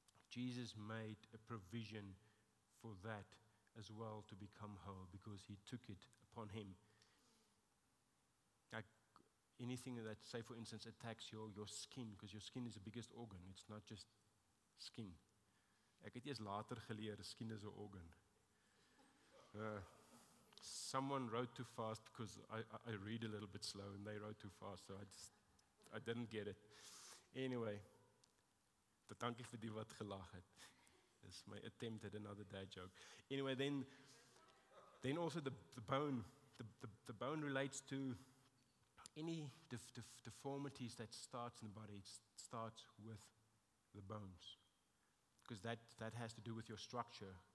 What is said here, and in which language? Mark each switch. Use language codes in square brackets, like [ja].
[en] Jesus made a provision for that as well to become whole because he took it upon him. Like anything that, say for instance, attacks your skin, because your skin is the biggest organ. It's not just skin. [af] Ek het eers later geleer, skin is 'n organ. [en] Someone wrote too fast because I read a little bit slow and they wrote too fast, so I didn't get it. [af] Anyway, dankie vir die wat gelag het. [en] It's my attempt at another dad joke. Anyway, then also the bone. The bone relates to any deformities that starts in the body. It starts with the bones. Because that has to do with your structure.